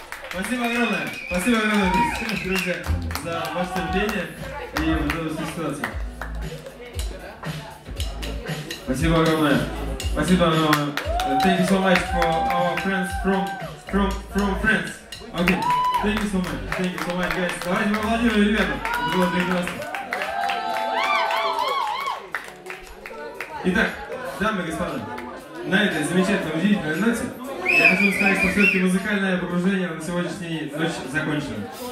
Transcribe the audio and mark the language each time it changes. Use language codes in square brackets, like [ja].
[ru] Спасибо огромное, друзья, за ваше терпение и вот эту ситуацию. Спасибо огромное. Спасибо. [en] Thank you so much for our friends from France. Okay. Thank you so much. Thank you so much, guys. [ru] Давайте поаплодируем, ребята. Было прекрасно. Итак, дамы и господа, на этой замечательной, удивительной ноте я хочу сказать, что все-таки музыкальное погружение на сегодняшней ночь закончено.